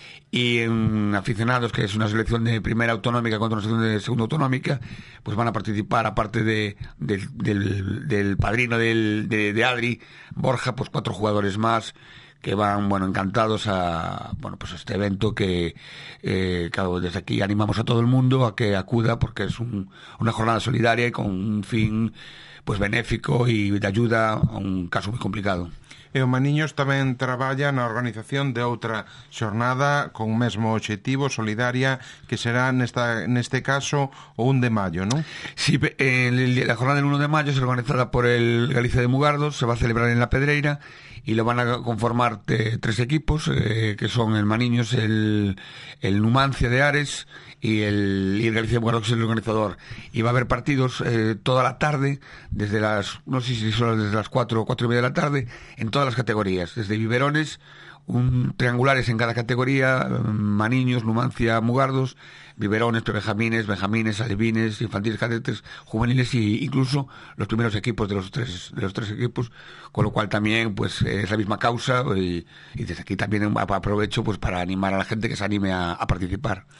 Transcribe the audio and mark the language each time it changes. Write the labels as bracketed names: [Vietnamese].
[Spanish] y en aficionados, que es una selección de primera autonómica contra una selección de segunda autonómica, pues van a participar, aparte del padrino de Adri, Borja, pues cuatro jugadores más que van, bueno, encantados a este evento que, claro, desde aquí animamos a todo el mundo a que acuda, porque es una jornada solidaria y con un fin, pues, benéfico y de ayuda a un caso muy complicado. [Galician] E o Maniños tamén traballa na organización de outra xornada con o mesmo obxectivo, solidaria, que será neste caso o 1 de maio, non? [Spanish] Sí, la jornada del 1 de maio será organizada por el Galicia de Mugardos, se va a celebrar en la Pedreira y lo van a conformar tres equipos, que son el Maniños, el Numancia de Ares y el Galicia de Mugardos, el organizador. Y va a haber partidos toda la tarde, desde las, no sé si son desde las 4 o 4 y media de la tarde, en todas las categorías, desde biberones, triangulares en cada categoría, Maniños, Numancia, Mugardos, biberones, prebenjamines, benjamines, alevines, infantiles, cadetes, juveniles e incluso los primeros equipos de los tres equipos, con lo cual también pues es la misma causa y desde aquí también aprovecho pues para animar a la gente que se anime a participar.